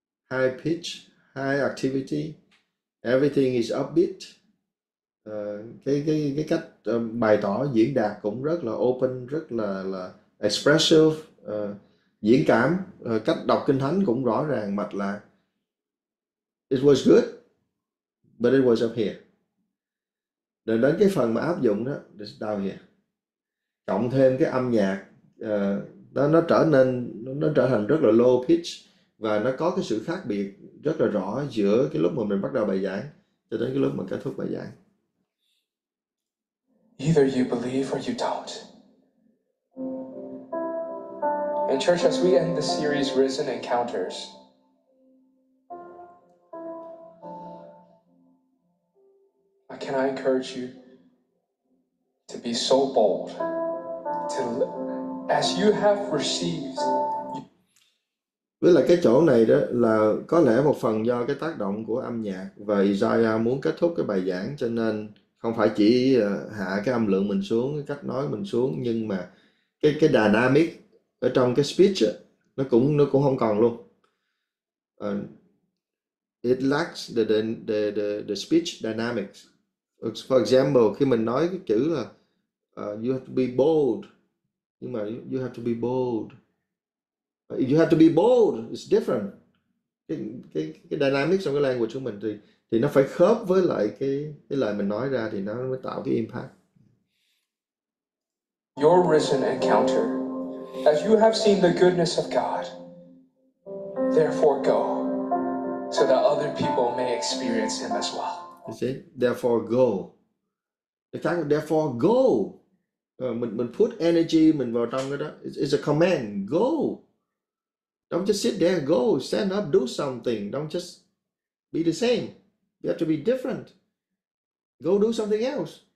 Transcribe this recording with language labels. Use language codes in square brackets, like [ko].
[en] High pitch, high activity, everything is upbeat. [vi] Cái cách bày tỏ diễn đạt cũng rất là open, rất là expressive, diễn cảm, cách đọc kinh thánh cũng rõ ràng mạch lạc. [en] It was good, but it was up here. [vi] Rồi đến cái phần mà áp dụng đó, [en] it's down here. [vi] Cộng thêm cái âm nhạc, nó trở thành rất là low pitch và nó có cái sự khác biệt rất là rõ giữa cái lúc mà mình bắt đầu bài giảng cho đến cái lúc mà kết thúc bài giảng. [en] Either you believe or you don't. And church, as we end the series Risen Encounters, can I encourage you to be so bold, to as you have received. [vi] Với lại cái chỗ này đó là có lẽ một phần do cái tác động của âm nhạc và Isaiah muốn kết thúc cái bài giảng cho nên không phải chỉ hạ cái âm lượng mình xuống, cái cách nói mình xuống, nhưng mà cái dynamic ở trong cái speech đó, nó cũng không còn luôn. [en] It lacks the speech dynamics. For example, [vi] khi mình nói cái chữ là [en] you have to be bold, [vi] nhưng mà [en] you have to be bold, you have to be bold, it's different. [vi] Cái dynamic trong cái language của mình thì nó phải khớp với lại cái lời mình nói ra thì nó mới tạo cái impact. [en] Your risen encounter, as you have seen the goodness of God, therefore go, so that other people may experience Him as well. You see? Therefore go. In fact, therefore go. [vi] Mình [en] put energy [vi] mình vào trong cái đó. [en] It's a command. Go. Don't just sit there. Go. Stand up. Do something. Don't just be the same. You have to be different. Go do something else.